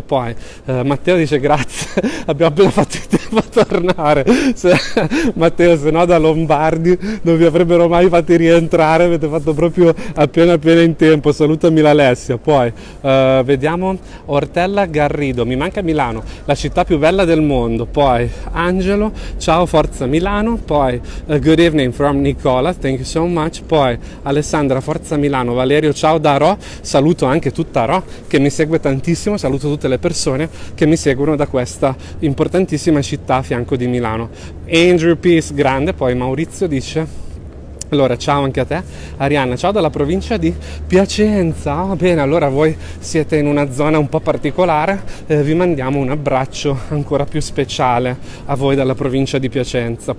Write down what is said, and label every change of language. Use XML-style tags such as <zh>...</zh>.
<it>Poi Matteo dice grazie, abbiamo appena fatto il tempo a tornare. Se, Matteo, se no da Lombardi non vi avrebbero mai fatti rientrare, avete fatto proprio appena appena in tempo. Salutami l'Alessia. Poi vediamo Ortella Garrido, mi manca Milano, la città più bella del mondo. Poi Angelo, ciao forza Milano.</it> <en>Poi good evening from Nicola, thank you so much.</en> <it>Poi Alessandra, forza Milano. Valerio, ciao da Ro, saluto anche tutta Ro che mi segue tantissimo, saluto tutte le persone che mi seguono da questa importantissima città a fianco di Milano. Andrew Peace, grande. Poi Maurizio dice, allora ciao anche a te. Arianna, ciao dalla provincia di Piacenza. Oh, bene, allora voi siete in una zona un po' particolare, vi mandiamo un abbraccio ancora più speciale a voi dalla provincia di Piacenza.</it>